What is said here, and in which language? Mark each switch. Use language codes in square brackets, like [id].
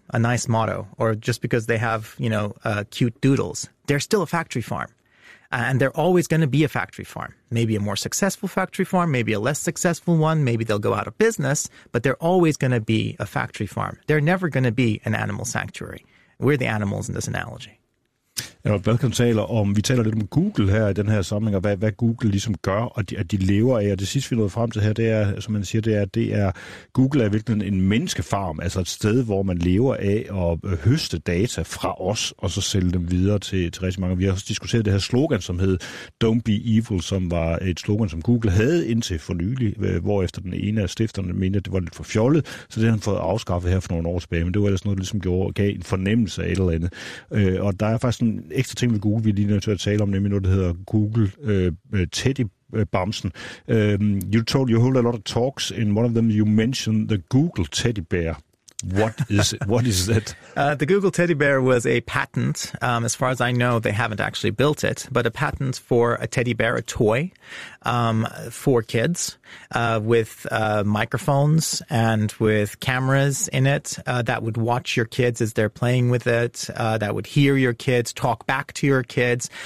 [en] A nice motto, or just because they have, you know, cute doodles. They're still a factory farm, and they're always going to be a factory farm. Maybe a more successful factory farm, maybe a less successful one, maybe they'll go out of business, but they're always going to be a factory farm. They're never going to be an animal sanctuary. We're the animals in this analogy. [da] Ja, Balkan taler om, vi taler lidt om Google her i den her samling, og hvad Google ligesom gør, og at de lever af. Og det sidste, vi nåede frem til her, det er, som man siger, det er Google er virkelig en menneskefarm, altså et sted, hvor man lever af at høste data fra os, og så sælge dem videre til rigtig mange. Vi har også diskuteret det her slogan, som hed Don't Be Evil, som var et slogan, som Google havde indtil for nylig, hvorefter den ene af stifterne mente, at det var lidt for fjollet, så det har han fået afskaffet her for nogle år tilbage, men det var ellers noget, der ligesom gav en fornemmelse af et eller andet. Og der er faktisk en ekstra ting ved Google, vi er lige nødt til at tale om, nemlig noget, der hedder Google Teddy Bamsen. [en] You hold a lot of talks, and one of them you mentioned the Google Teddy Bear. What is that? The Google Teddy Bear was a patent. As far as I know, they haven't actually built it, but a patent for a teddy bear, a toy, for kids, with microphones and with cameras in it that would watch your kids as they're playing with it, that would hear your kids, talk back to your kids.